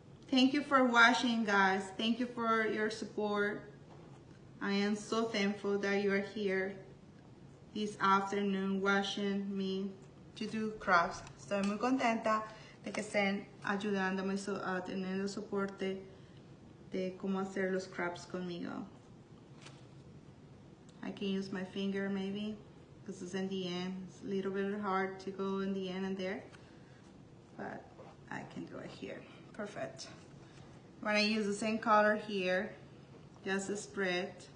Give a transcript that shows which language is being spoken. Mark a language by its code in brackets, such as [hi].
[en] Thank you for watching, guys. Thank you for your support. I am so thankful that you are here this afternoon watching me to do crafts. [es] Estoy muy contenta de que estén ayudándome a tener el soporte de cómo hacer los crafts conmigo. [en] I can use my finger maybe, because it's in the end. It's a little bit hard to go in the end and there, but I can do it here. Perfect. When I use the same color here, just spread.